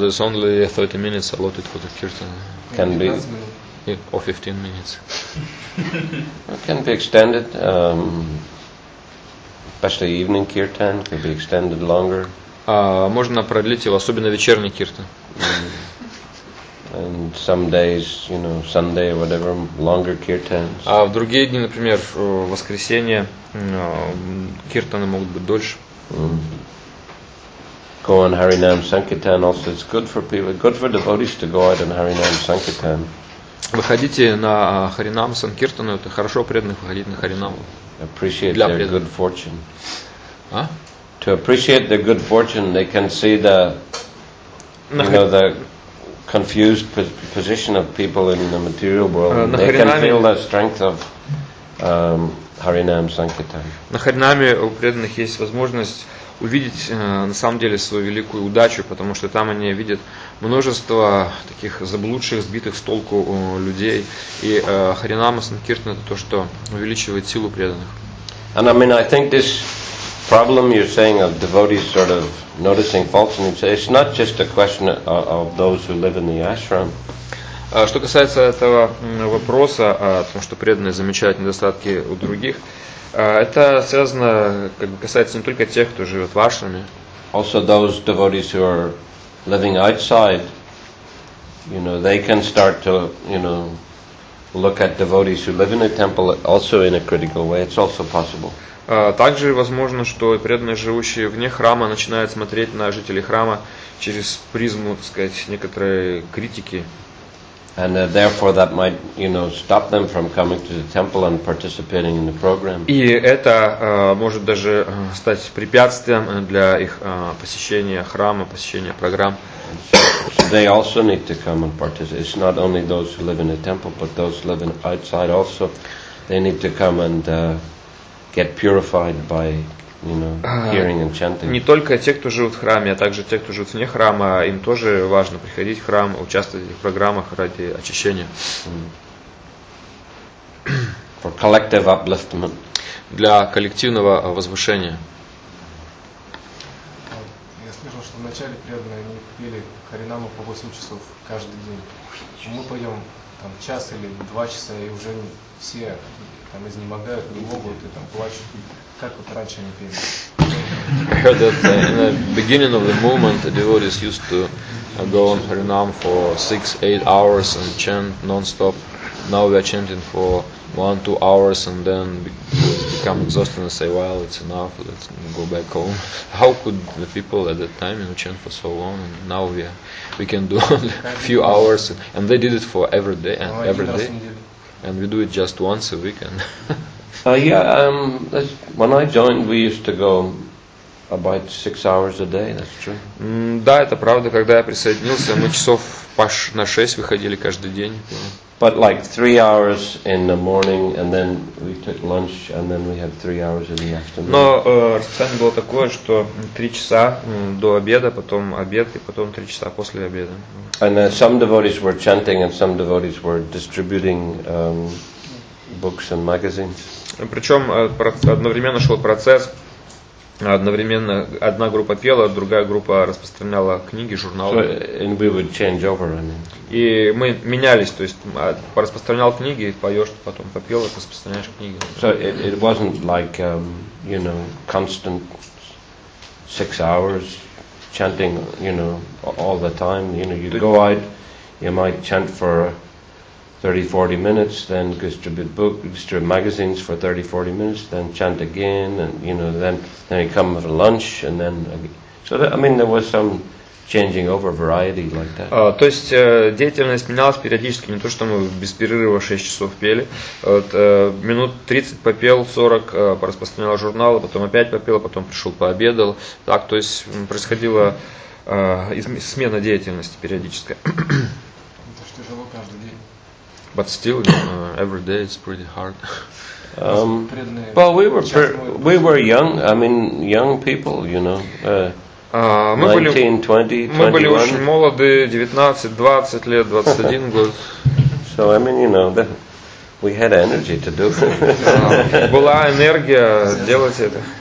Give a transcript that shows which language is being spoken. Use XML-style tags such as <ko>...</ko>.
<en>There's only 30 minutes allotted for the kirtana. Can be. Or 15 minutes. Can be extended. Especially evening kirtan can be extended longer.</en> <ru>Можно продлить его, особенно вечерний киртан.</ru> <en>And some days, you know, Sunday or whatever, longer kirtans.</en> <ru>А в другие дни, например, в воскресенье, киртаны могут быть дольше.</ru> <en>Go on Harinam Sankirtan. Also, it's good for people, good for devotees to go out on Harinam Sankirtan.</en> <ru>Выходите на Харинам Санкиртану. Это хорошо преданных выходить на Харинаму.</ru> <en>Appreciate their good fortune. А? To appreciate their good fortune, they can see the, you know, the confused position of people in the material world. They can feel the strength of Harinam Sankirtan.</en> <ru>На Харинаме у преданных есть возможность увидеть на самом деле свою великую удачу, потому что там они видят множество таких заблудших, сбитых с толку людей. И Харинама Санкиртан — это то, что увеличивает силу преданных.</ru> <en>And I mean, I think this problem you're saying of devotees sort of noticing faults in each other, it's not just a question of those who live in the ashram.</en> <ru>Что касается этого вопроса о том, что преданные замечают недостатки у других, это связано, как бы, касается не только тех, кто живет в ашраме.</ru> <en>Also those devotees who are living outside, you know, they can start to, you know, look at devotees who live in a temple also in a critical way. It's also possible.</en> <ru>Также возможно, что преданные, живущие вне храма, начинают смотреть на жителей храма через призму, так сказать, некоторой критики.</ru> <en>And therefore that might, you know, stop them from coming to the temple and participating in the program.</en> <ru>И это может даже стать препятствием для их посещения храма, посещения программ.</ru> <en>So they also need to come and participate. It's not only those who live in the temple, but those living outside also. They need to come and get purified by, you know, hearing and chanting.</en> <ru>Не только те, кто живут в храме, а также те, кто живут вне храма, им тоже важно приходить в храм, участвовать в этих программах ради очищения.</ru> <en>For collective upliftment.</en> <ru>Для коллективного возвышения. Я слышал, что вначале преданные они пели харинаму по 8 часов каждый день. Мы пойдем там час или два часа, и уже все там изнемогают, не могут и там плачут. Как вот раньше они пели?</ru> <en>I heard that in the beginning of the movement, the devotees used to go on harinam for 6-8 hours and chant non-stop. Now we are chanting for 1-2 hours and then become exhausted and say, well, it's enough, let's go back home. How could the people at that time, you know, chant for so long, and now we can do only a few hours, and they did it for every day, and every day, and we do it just once a week. When I joined, we used to go about 6 hours a day, that's true.</en> <ru>Да, это правда, когда я присоединился, мы часов на 6 выходили каждый день.</ru> <en>But like 3 hours in the morning, and then we took lunch, and then we had 3 hours in the afternoon.</en> <ru>Но расписание было такое, что 3 часа до обеда, потом обед, и потом 3 часа после обеда.</ru> <en>And some devotees were chanting, and some devotees were distributing books and magazines.</en> <ru>Причем одновременно шел процесс. Одновременно одна группа пела, другая группа распространяла книги, журналы.</ru> <en>And we would change over, I mean.</en> <ru>И мы менялись, то есть распространял книги, поешь, потом попел, распространяешь книги.</ru> <en>So it wasn't like, you know, constant 6 hours chanting, you know, all the time. You know, you go out, you might chant for 30-40 minutes, then distribute book, distribute magazines for 30-40 minutes, then chant again, and you know, then you come for lunch, and then so that, I mean, there was some changing over variety like that.</en> <ru>То есть деятельность менялась периодически, не то что мы без перерыва 6 часов пели. Минут 30 попел, 40 пораспространял журналы, потом опять попел, потом пришел пообедал. Так, то есть происходила смена деятельности периодическая. Это ж тяжело каждый день.</ru> <en>But still, every day it's pretty hard. Well, we were young. I mean, young people, you know. 19, 20, 21. So I mean, you know, we had energy to do.</en> <ru>Была энергия делать это.</ru>